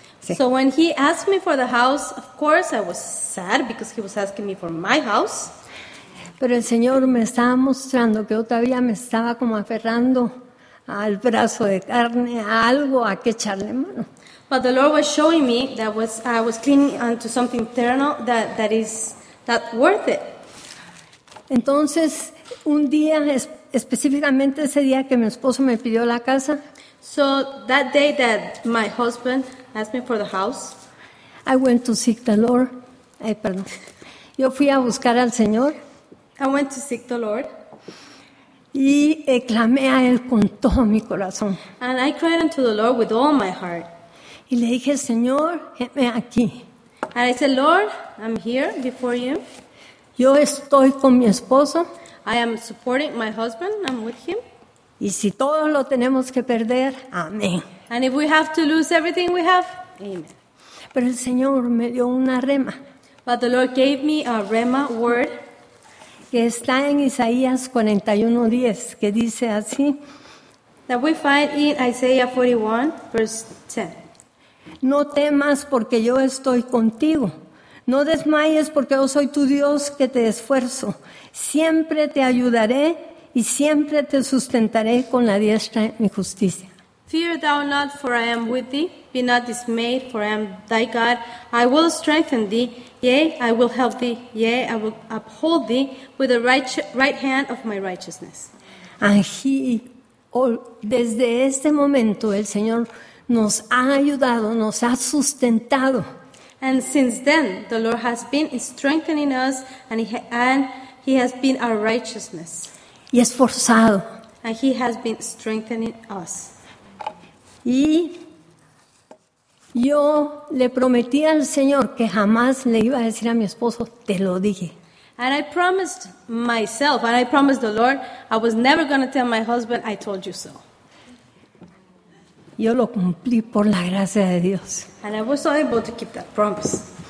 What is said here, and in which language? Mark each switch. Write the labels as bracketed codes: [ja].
[en] So when he asked me for the house, of course I was sad because he was asking me for my house. [es] Pero el Señor me estaba mostrando que yo todavía me estaba como aferrando al brazo de carne, a algo a que echarle mano. [en] But the Lord was showing me that I was clinging onto something eternal that is worth it. [es] Entonces, un día, específicamente ese día que mi esposo me pidió la casa. [en] So that day that my husband asked me for the house, I went to seek the Lord. [es] Ay, perdón. Yo fui a buscar al Señor. [en] I went to seek the Lord. [es] Y clamé a Él con todo mi corazón. [en] And I cried unto the Lord with all my heart. [es] Y le dije, Señor, heme aquí. [en] And I said, Lord, I'm here before you. [es] Yo estoy con mi esposo. [en] I am supporting my husband. I'm with him. [es] Y si todos lo tenemos que perder, amén. [en] And if we have to lose everything we have, amen. [es] Pero el Señor me dio una rema. [en] But the Lord gave me a rema word. [es] Que está en Isaías 41:10, que dice así. [en] That we find in Isaiah 41, verse 10. [es] No temas porque yo estoy contigo. No desmayes porque yo soy tu Dios que te esfuerzo. Siempre te ayudaré y siempre te sustentaré con la diestra de mi justicia. [en] Fear thou not, for I am with thee. Be not dismayed, for I am thy God. I will strengthen thee. Yea, I will help thee. Yea, I will uphold thee with the right hand of my righteousness. [es] Desde este momento el Señor nos ha ayudado, nos ha sustentado. [en] And since then, the Lord has been strengthening us, and he has been our righteousness. [es] Y esforzado. [en] And he has been strengthening us. [es] Y yo le prometí al Señor que jamás le iba a decir a mi esposo, te lo dije. [en] And I promised myself, and I promised the Lord, I was never going to tell my husband, I told you so. [es] Yo lo cumplí por la gracia de Dios. [en] And I was able to keep that promise.